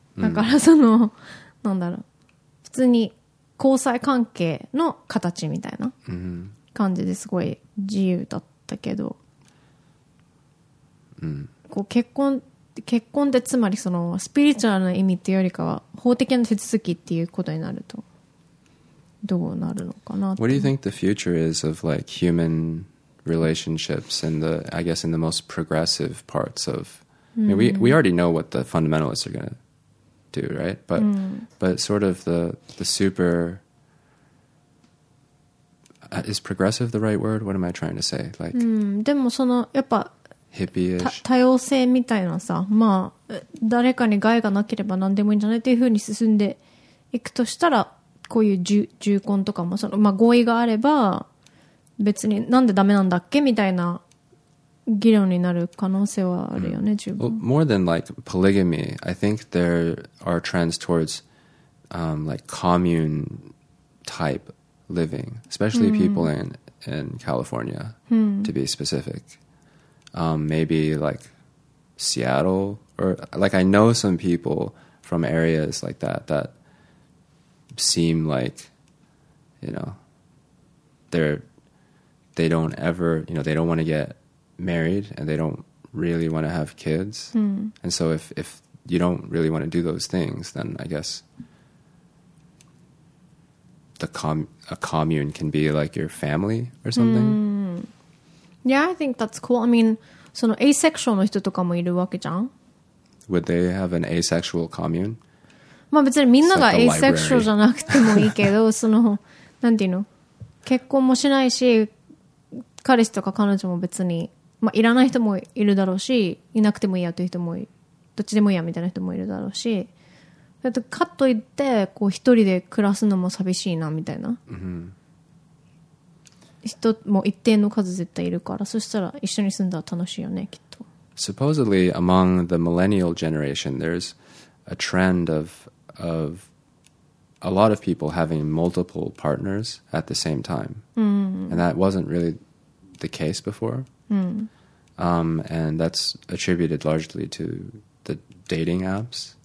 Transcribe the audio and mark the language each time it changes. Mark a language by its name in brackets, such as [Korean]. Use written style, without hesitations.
[Japanese] だからその、なんだろう。普通に交際関係の形みたいな。感じですごい自由だったけど、こう結婚ってつまりそのスピリチュアルな意味っていうよりかは法的な手続きっていうことになるとどうなるのかなって。 [English] What do you think the future is of like human relationships in the, I guess in the most progressive parts of, I mean, we already know what the fundamentalists are gonna do, right? But but sort of the superIs progressive the right word? What am I trying to say? Like, [Japanese] でもそのやっぱ [English] hippie-ish [Japanese] 多様性みたいなさ、まあ誰かに害がなければ何でもいいんじゃないっていう風に進んでいくとしたら、こういう重婚とかもそのまあ合意があれば別になんでダメなんだっけみたいな議論になる可能性はあるよね、十分。 [English] Well, more than like polygamy, I think there are trends towards like commune type. Living, especially people in California, to be specific, maybe like Seattle, or like I know some people from areas like that that seem like, you know, they don't ever, you know, they don't want to get married and they don't really want to have kids. Mm. And so if you don't really want to do those things, then I guess a commune can be like your family or something. Mm. Yeah, I think that's cool. I mean, [Japanese] そのアセクシュアルの人とかもいるわけじゃん。 [English] Would they have an asexual commune? [Japanese] まあ別にみんながアセクシュアルじゃなくてもいいけど、そのなんていうの、結婚もしないし、彼氏とか彼女も別に、まあいらない人もいるだろうし、いなくてもいいやという人も、どっちでもいいやみたいな人もいるだろうし、だってかといってこう一人で暮らすのも寂しいなみたいな。 Mm-hmm. 人も一定の数絶対いるから、そしたら一緒に住んだら楽しいよね、きっと。 [English] Supposedly, among the millennial generation, there's a trend of a lot of people having multiple partners at the same time. Mm-hmm. And that wasn't really the case before. Mm-hmm. And that's attributed largely to the dating apps.